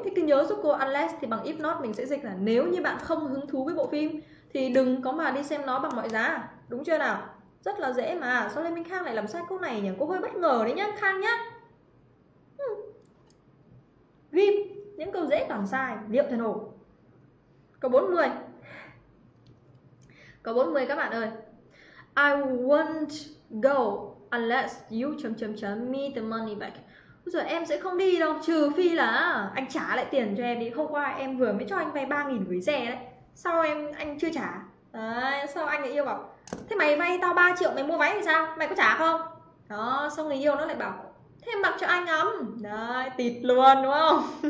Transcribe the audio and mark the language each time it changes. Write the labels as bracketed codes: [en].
[vi] Thế cứ nhớ giúp cô, unless thì bằng if not, mình sẽ dịch là nếu như bạn không hứng thú với bộ phim thì đừng có mà đi xem nó bằng mọi giá, đúng chưa nào? Rất là dễ mà. Sao Lê Minh Khang lại làm sai câu này nhỉ? Cô hơi bất ngờ đấy nhá, Khang nhá. Ghim, những câu dễ toàn sai, liệu thật hổ. Câu 40. Câu 40 các bạn ơi. [en] I won't go unless you [vi] chấm chấm chấm [en] me the money back. [vi] Rồi em sẽ không đi đâu trừ phi là anh trả lại tiền cho em đi. Hôm qua em vừa mới cho anh vay 3.000 gửi xe đấy. Sao em anh chưa trả? Đấy, sao anh lại yêu bảo thế mày vay tao 3 triệu mày mua váy thì sao? Mày có trả không? Đó, xong người yêu nó lại bảo thêm mặc cho anh ngắm. Đấy, tịt luôn đúng không?